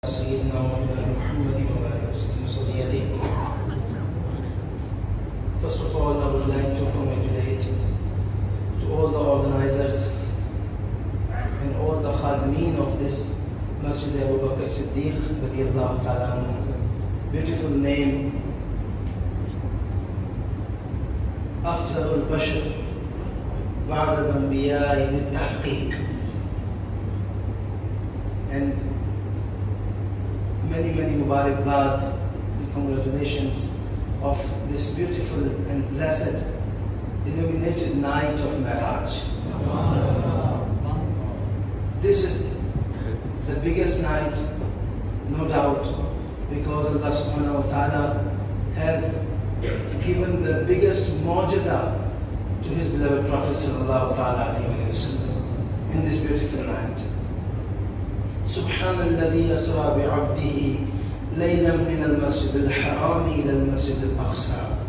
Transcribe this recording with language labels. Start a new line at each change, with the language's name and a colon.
Arabic: سيدنا ومولانا محمد وبارك وسلم وصلي عليه.
English: First of all, I would like to congratulate to all the organizers and all the khadmin of this Masjid Abu Bakr Siddiq radiallahu ta'ala anhu. Beautiful name after
Arabic: al-Bashr ba'd al-anbiya'i bit-tahqiq.
English: And many, many mubarak baad and congratulations of this beautiful and blessed illuminated night of Mi'raj. This is the biggest night, no doubt, because Allah subhanahu wa ta'ala has given the biggest mu'jiza to His beloved Prophet sallallahu ta'ala alayhi wa sallam in this beautiful night.
Arabic: سبحان الذي أسرى بعبده ليلا من المسجد الحرام إلى المسجد الأقصى.